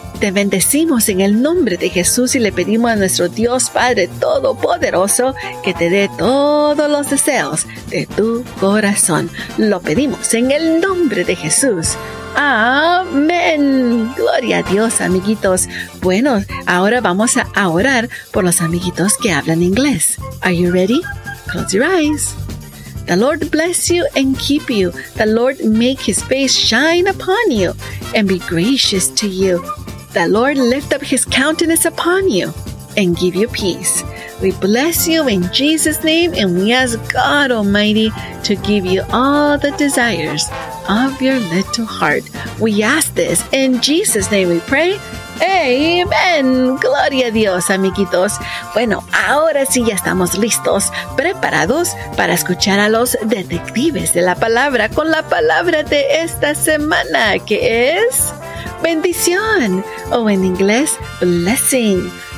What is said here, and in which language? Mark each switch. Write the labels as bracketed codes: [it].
[es] Te bendecimos en el nombre de Jesús y le pedimos a nuestro Dios Padre Todopoderoso que te dé todos los deseos de tu corazón. Lo pedimos en el nombre de Jesús. ¡Amén! Gloria a Dios, amiguitos. Bueno, ahora vamos a orar por los amiguitos que hablan inglés. [en] Are you ready? Close your eyes. The Lord bless you and keep you. The Lord make His face shine upon you and be gracious to you. The Lord lift up His countenance upon you and give you peace. We bless you in Jesus' name and we ask God Almighty to give you all the desires of your little heart. We ask this in Jesus' name we pray. [es] Amen. Gloria a Dios, amiguitos. Bueno, ahora sí ya estamos listos, preparados para escuchar a los detectives de la palabra con la palabra de esta semana, que es bendición, o en inglés, blessing.